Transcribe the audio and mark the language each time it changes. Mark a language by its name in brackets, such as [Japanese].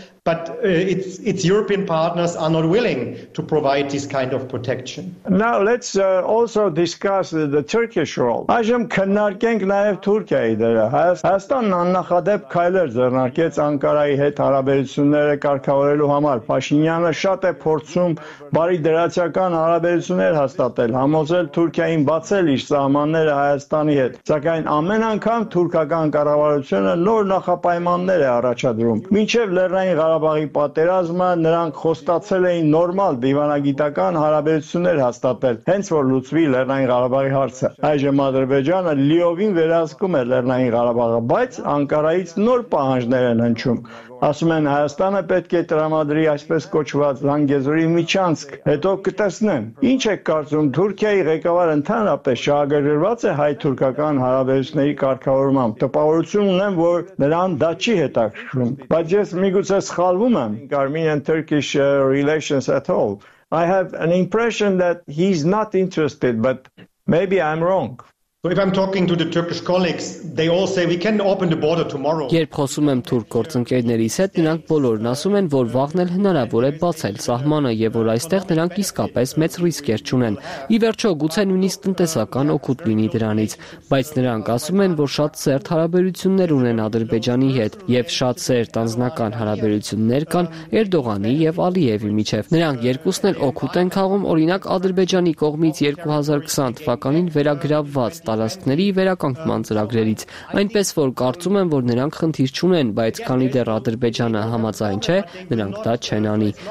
[English] But its European partners are not willing to provide this kind of protection. Now let's also discuss the Turkish role. [Armenian] Այժմ քննարկենք նաև Թուրքիայի դերը։ Հայաստանն աննախադեպ քայլեր ձեռնարկեց Անկարայի հետ հարաբերությունները կարգավորելու համար։ Փաշինյանը շատ է փորձում բարի դրացական հարաբերություններ հաստատել, համոզել Թուրքիային բացել իր սահմանները Հայաստանի հետ։ Սակայն ամեն անգամ թուրքական կառավարությունը նոր նախապայմաններ է առաջադրում։ Մինչև Լեռնային Ղարաբաղի պատերազմը նրանք խոստացել էին նորմալ դիվանագիտական հարաբերություններ հաստատել, հենց որ լուծվի Լեռնային Ղարաբաղի հարցը։ Այժմ Ադրբեջանը լիովին վերահսկում է Լեռնային Ղարաբաղը, բայց Անկարայից նոր պահանջներ են հնչում։ Ասում են, Հայաստանը պետք է տրամադրի այսպես կոչված Լանգեզուրի միջանցք, հետո կտեսնեն։ Ինչ եք կարծում, Թուրքիայի ղեկավար ընդհանրապես շահագրգռված է հայ-թուրքական հարաբերությունների կարգավորմամբ։ Տպավորություն ունեմ, որ նրան դա չի հետաքրքրում։ Բայց ես միգուցե սխալվում եմ։ [English] Armenian-Turkish relations at all. I have an impression that he's not interested, but maybe I'm wrong. So if I'm talking to the Turkish colleagues, they all say we can open the border tomorrow. [Armenian] Երբ խոսում եմ թուրք գործընկերներիս հետ, նրանք բոլորն ասում են, որ վաղն էլ հնարավոր է բացել սահմանը եւ որ այստեղ նրանք իսկապես մեծ ռիսկեր չունեն։ Ի վերջո գուցե նույնիսկ տնտեսական օգուտ լինի դրանից, բայց նրանք ասում են, որ շատ սերտ հարաբերություններ ունեն Ադրբեջանի հետ եւ շատ սերտ անձնական հարաբերություններ կան Էրդողանի եւ Ալիևի միջեւ։ Նրանք երկուսն էլ օգուտ են քաղում, օրինակ Ադրբեջանի կողմից 2020 թվականին վերագրաված տարածքների վերականգնման ծրագրերից, այնպես որ կարծում եմ, որ նրանք խնդիր չունեն, բայց քանի դեռ Ադրբեջանը համաձայն չէ, նրանք դա չեն անի։